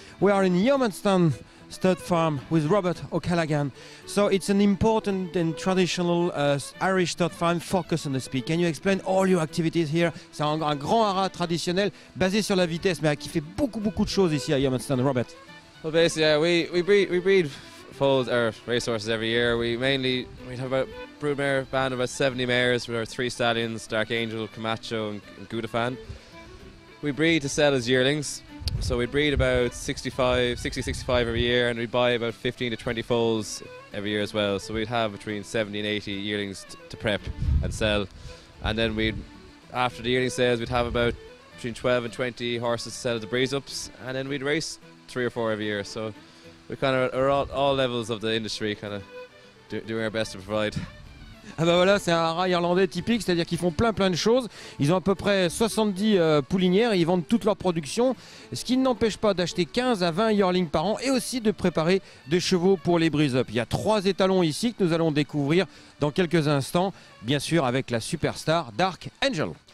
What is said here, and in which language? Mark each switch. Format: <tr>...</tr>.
<en>We are in Yeomanstown Stud Farm with Robert O'Callaghan. So it's an important and traditional Irish stud farm, focus on the speed. Can you explain all your activities here?</en> <fr>C'est un grand haras traditionnel basé sur la vitesse, mais qui fait beaucoup, beaucoup de choses ici à Yeomanstown, Robert.</fr> <en>Well, basically, yeah, we breed foals or racehorses every year. We have about broodmare band of about 70 mares with our three stallions, Dark Angel, Camacho, and Gudafan. We breed to sell as yearlings, so we breed about 60-65 every year, and we buy about 15 to 20 foals every year as well. So we'd have between 70 and 80 yearlings to prep and sell, and then we'd, after the yearling sales, we'd have about between 12 and 20 horses to sell at the breeze ups, and then we'd race three or four every year. So we kind of are all levels of the industry, kind of doing our best to provide.</en> <fr>Ah bah voilà, c'est un haras irlandais typique, c'est-à-dire qu'ils font plein de choses. Ils ont à peu près 70 poulinières et ils vendent toute leur production, ce qui n'empêche pas d'acheter 15 à 20 yearlings par an et aussi de préparer des chevaux pour les breeze-up. Il y a trois étalons ici que nous allons découvrir dans quelques instants, bien sûr avec la superstar Dark Angel.</fr>